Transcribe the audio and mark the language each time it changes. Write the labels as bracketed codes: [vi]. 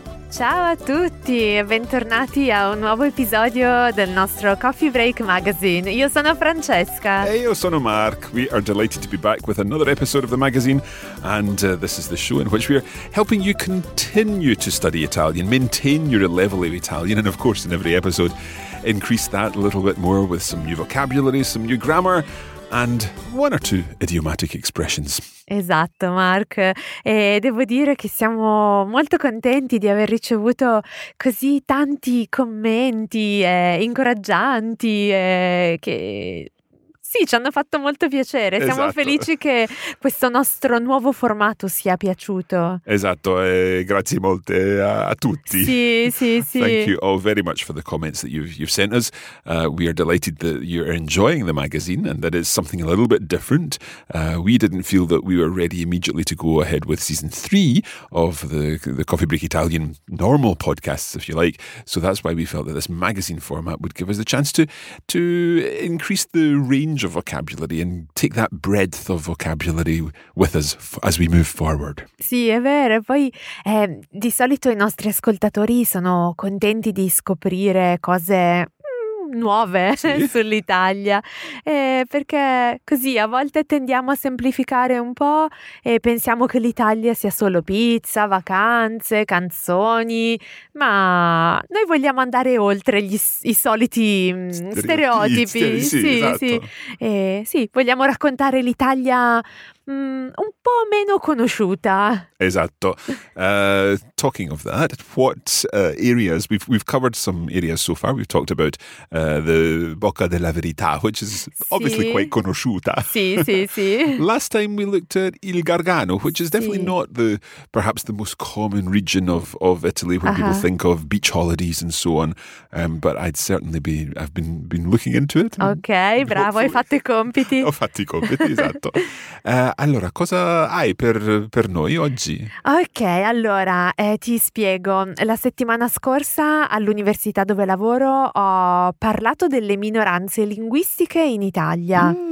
[it] Ciao a tutti e bentornati a un nuovo episodio del nostro Coffee Break Magazine. Io sono Francesca. E io sono Mark. [en] We are delighted to be back with another episode of the magazine. And this is the show in which we are helping you continue to study Italian, maintain your level of Italian, and of course in every episode, increase that a little bit more with some new vocabulary, some new grammar, and one or two idiomatic expressions. [it] Esatto, Mark. E devo dire che siamo molto contenti di aver ricevuto così tanti commenti incoraggianti che... Sì, ci hanno fatto molto piacere. Esatto. Siamo felici che questo nostro nuovo formato sia piaciuto. Esatto, e grazie molte a tutti. Sì, sì, sì. [en] Thank you all very much for the comments that you've sent us. We are delighted that you're enjoying the magazine and that it's something a little bit different. We didn't feel that we were ready immediately to go ahead with season 3 of the Coffee Break Italian normal podcasts, if you like. So that's why we felt that this magazine format would give us the chance to increase the range of vocabulary and take that breadth of vocabulary with us as we move forward. [it] Sì, è vero. Poi di solito i nostri ascoltatori sono contenti di scoprire cose nuove, sì, sull'Italia, perché così a volte tendiamo a semplificare un po' e pensiamo che l'Italia sia solo pizza, vacanze, canzoni, ma noi vogliamo andare oltre i soliti stereotipi. Sì, sì, esatto. Sì. Sì, vogliamo raccontare l'Italia un po' meno conosciuta. Esatto. [en] Talking of that, what areas? We've covered some areas so far. We've talked about the Bocca della Verità, which is obviously quite conosciuta. Sì, sì, sì. Last time we looked at Il Gargano, which is definitely not perhaps the most common region of Italy where people think of beach holidays and so on. But I've been looking into it. [it] Ok, bravo, hai fatto i compiti. Ho fatto i compiti, esatto. Allora, cosa hai per noi oggi? Ok, allora, ti spiego. La settimana scorsa all'università dove lavoro ho parlato delle minoranze linguistiche in Italia.